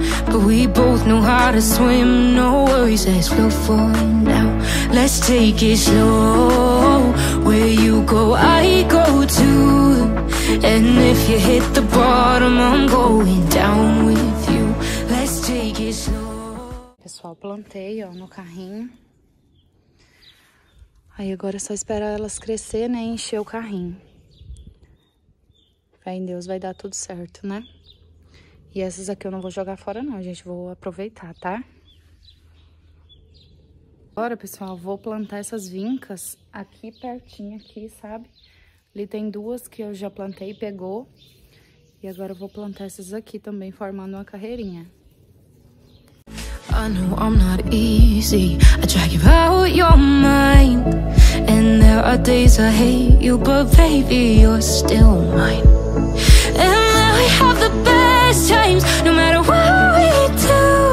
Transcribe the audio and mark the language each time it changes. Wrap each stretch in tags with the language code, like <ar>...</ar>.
<en>But we both know how to swim, no worries, let's go for it now. Let's take it slow, where you go, I go too. And if you hit the bottom, I'm going down with you. Let's take it slow.</en> <pt>Pessoal, plantei, ó, no carrinho. Aí agora é só esperar elas crescer, né, encher o carrinho. Fé em Deus, vai dar tudo certo, né? E essas aqui eu não vou jogar fora, não, gente. Vou aproveitar, tá? Agora, pessoal, vou plantar essas vincas aqui pertinho, aqui, sabe? Ali tem duas que eu já plantei e pegou. E agora eu vou plantar essas aqui também, formando uma carreirinha.</pt> <en>I know I'm not easy. I drag you out your mind. And there are days I hate you, but baby, you're still mine. And now we have the best times, no matter what we do.</en>